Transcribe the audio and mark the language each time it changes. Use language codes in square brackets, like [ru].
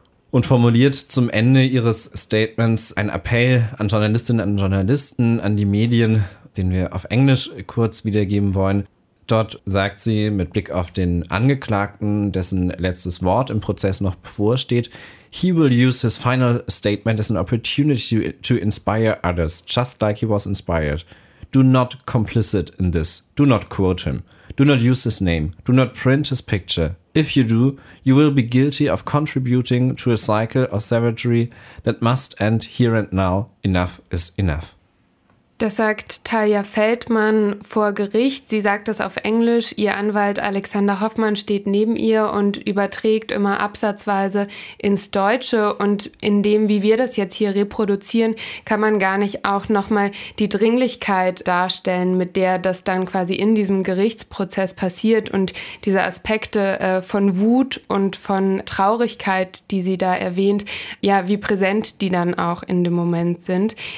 [de] Und formuliert zum Ende ihres Statements einen Appell an Journalistinnen und Journalisten, an die Medien, den wir auf Englisch kurz wiedergeben wollen. Dort sagt sie mit Blick auf den Angeklagten, dessen letztes Wort im Prozess noch bevorsteht: [en] He will use his final statement as an opportunity to inspire others, just like he was inspired. Do not complicit in this. Do not quote him. Do not use his name. Do not print his picture. If you do, you will be guilty of contributing to a cycle of savagery that must end here and now. Enough is enough. [de] Das sagt Talia Feldmann vor Gericht. Sie sagt das auf Englisch. Ihr Anwalt Alexander Hoffmann steht neben ihr und überträgt immer absatzweise ins Deutsche. Und in dem, wie wir das jetzt hier reproduzieren, kann man gar nicht auch nochmal die Dringlichkeit darstellen, mit der das dann quasi in diesem Gerichtsprozess passiert und diese Aspekte von Wut und von Traurigkeit, die sie da erwähnt, ja, wie präsent die dann auch in dem Moment sind.